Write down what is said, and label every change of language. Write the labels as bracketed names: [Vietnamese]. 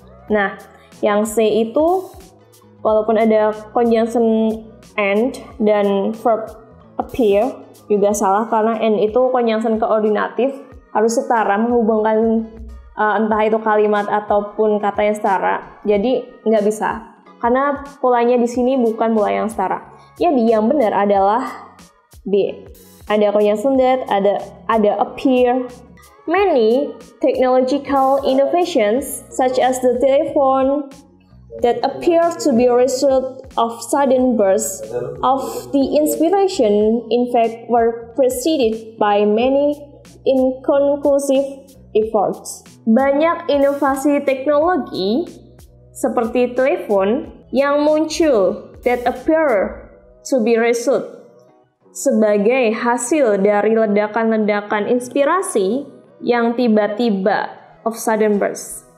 [Indonesian] Nah, yang C itu, walaupun ada conjunction and dan verb appear, juga salah karena and itu conjunction koordinatif, harus setara menghubungkan entah itu kalimat ataupun kata yang setara. Jadi nggak bisa, karena polanya di sini bukan pola yang setara. Jadi yang benar adalah B. Ada conjunction that, ada appear. [English] Many technological innovations such as the telephone that appear to be a result of sudden bursts of the inspiration, in fact, were preceded by many inconclusive efforts. [Indonesian] Banyak inovasi teknologi seperti telepon yang muncul [English] that appear to be result [Indonesian] sebagai hasil dari ledakan-ledakan inspirasi yang tiba-tiba [English] of sudden burst.